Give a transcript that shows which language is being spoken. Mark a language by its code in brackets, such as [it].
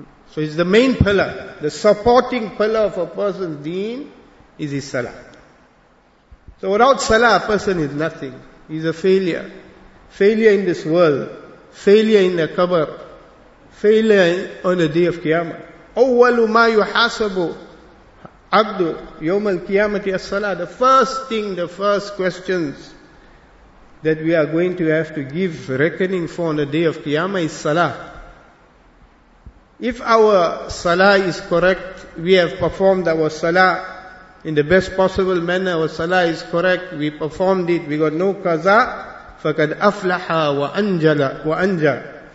[en] So it's the main pillar, the supporting pillar of a person's deen is his salah. So without salah, a person is nothing. He's a failure. Failure in this world, failure in the qabr, [ar] فإلى [en] on the day of Qiyamah. [ar] أول ما يحاسب عبد يوم القيامة الصلاة. [en] The first thing, the first questions that we are going to have to give reckoning for on the day of Qiyamah is Salah. If our Salah is correct, we have performed our Salah in the best possible manner, our Salah is correct, we performed it, we got no qaza, [ar] فَقَدْ أَفْلَحَ وَأَنْجَى.